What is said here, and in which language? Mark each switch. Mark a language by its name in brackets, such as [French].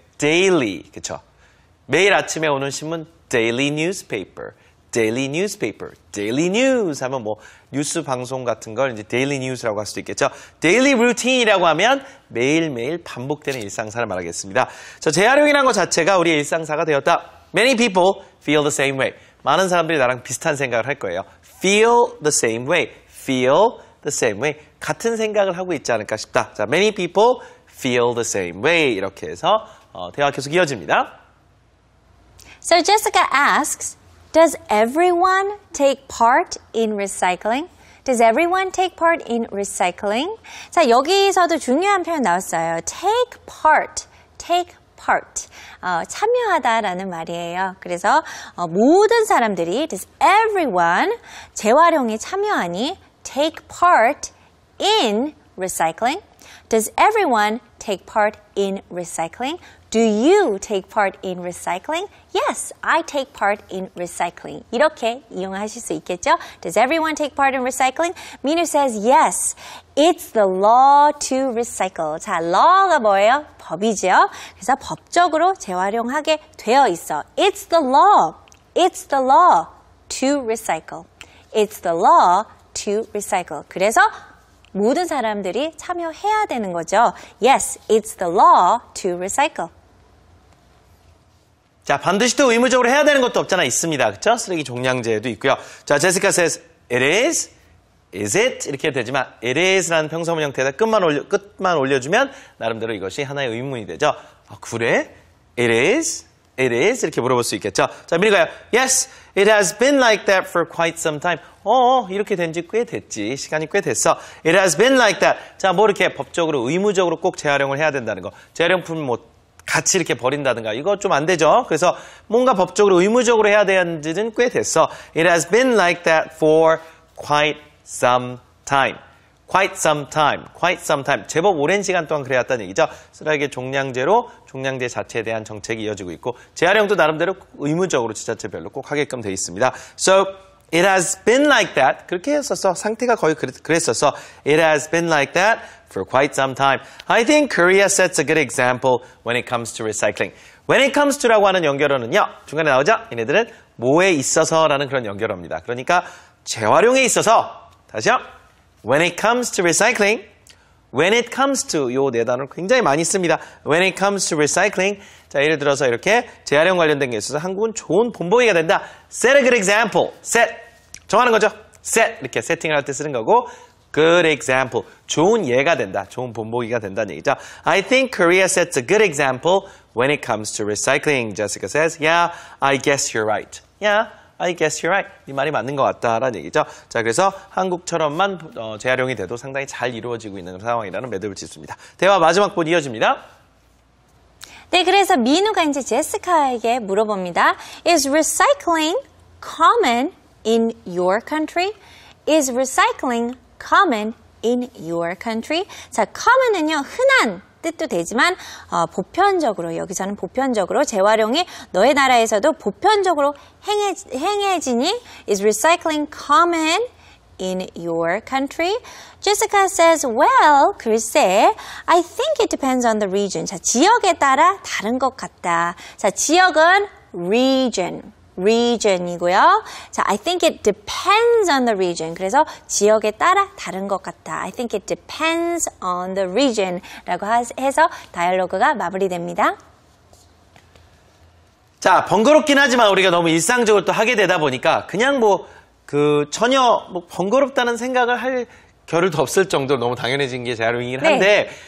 [Korean] Daily, 그쵸? 매일 아침에 오는 신문, [English] daily newspaper, daily newspaper, daily news [Korean] 하면 뭐 뉴스 방송 같은 걸 이제 daily news라고 할 수도 있겠죠? Daily routine이라고 하면 매일매일 반복되는 일상사를 말하겠습니다. 저 재활용이라는 것 자체가 우리의 일상사가 되었다. [English] Many people feel the same way. [Korean] 많은 사람들이 나랑 비슷한 생각을 할 거예요. [English] Feel the same way, feel the same way. [Korean] 같은 생각을 하고 있지 않을까 싶다. [English] 자, many people feel the same way. [Korean] 이렇게 해서 대화 계속 이어집니다. [English] So Jessica asks, Does everyone take part in recycling? Does everyone take part in recycling? [Korean] 자, 여기서도 중요한 표현 나왔어요. [English] Take part, take part. [Korean] 참여하다라는 말이에요. 그래서 모든 사람들이, [English] does everyone [Korean] 재활용에 참여하니 [English] take part in recycling? Does everyone take part in recycling? Do you take part in recycling? Yes, I take part in recycling. [Korean] 이렇게 이용하실 수 있겠죠? [English] Does everyone take part in recycling? Minu says, yes, it's the law to recycle. [Korean] 자, law가 뭐예요? 법이죠. 그래서 법적으로 재활용하게 되어 있어. [English] It's the law. It's the law to recycle. It's the law to recycle. [Korean] 그래서 모든 사람들이 참여해야 되는 거죠. [English] Yes, it's the law to recycle. [Korean] 자, 반드시 또 의무적으로 해야 되는 것도 없잖아. 있습니다. 그렇죠? 쓰레기 종량제도 있고요. [English] 자, Jessica says, it is, is it? [Korean] 이렇게 되지만, it is라는 평소문 형태에다 끝만 올려주면 나름대로 이것이 하나의 의문이 되죠. 아, 그래? [English] It is, it is? [Korean] 이렇게 물어볼 수 있겠죠. 자, 미리 가요. [English] Yes, it has been like that for quite some time. [Korean] 이렇게 된 지 꽤 됐지. 시간이 꽤 됐어. [English] It has been like that. [Korean] 자, 뭐 이렇게 법적으로, 의무적으로 꼭 재활용을 해야 된다는 거. 재활용품 뭐 같이 이렇게 버린다든가. 이거 좀 안 되죠. 그래서 뭔가 법적으로, 의무적으로 해야 되는 지는 꽤 됐어. [English] It has been like that for quite some time. Quite some time. Quite some time. [Korean] 제법 오랜 시간 동안 그래왔다는 얘기죠. 쓰레기 종량제로 종량제 자체에 대한 정책이 이어지고 있고 재활용도 나름대로 의무적으로 지자체별로 꼭 하게끔 돼 있습니다. [English] So, It has been like that. [Korean] 그렇게 했었어. 상태가 거의 그랬었어. [English] It has been like that for quite some time. I think Korea sets a good example when it comes to recycling. [Korean] When it comes to라고 하는 연결어는요. 중간에 나오죠? 얘네들은 뭐에 있어서라는 그런 연결어입니다. 그러니까 재활용에 있어서. 다시요. [English] When it comes to recycling. When it comes to [Korean] 요 네 단어를 굉장히 많이 씁니다. [English] When it comes to recycling. [Korean] 자, 예를 들어서 이렇게 재활용 관련된 게 있어서 한국은 좋은 본보기가 된다. [English] Set a good example. [Korean] Set. 정하는 거죠. Set. 이렇게 세팅을 할 때 쓰는 거고. good example. 좋은 예가 된다. 좋은 본보기가 된다는 얘기죠. [English] I think Korea sets a good example when it comes to recycling. Jessica says, yeah, I guess you're right. Yeah, I guess you're right. [Korean] 이 말이 맞는 것 같다라는 얘기죠. 자, 그래서 한국처럼만 재활용이 돼도 상당히 잘 이루어지고 있는 상황이라는 매듭을 짓습니다. 대화 마지막 부분 이어집니다. 네, 그래서 민우가 이제 제시카에게 물어봅니다. [English] Is recycling common in your country? Is recycling common in your country? [Korean] 자, common은요, 흔한 뜻도 되지만 보편적으로, 여기서는 보편적으로 재활용이 너의 나라에서도 보편적으로 행해지니 [English] Is recycling common in your country? Jessica says, well, [Korean] 글쎄, [English] I think it depends on the region. [Korean] 자, 지역에 따라 다른 것 같다. 자, 지역은 region. region이고요. 자, I think it depends on the region. 그래서 지역에 따라 다른 것 같다. [English] I think it depends on the region. [Korean] 라고 해서 다이얼로그가 마무리됩니다. 자, 번거롭긴 하지만 우리가 너무 일상적으로 또 하게 되다 보니까 그냥 뭐 그 전혀 뭐 번거롭다는 생각을 할 겨를도 없을 정도로 너무 당연해진 게 재활용이긴 한데 네.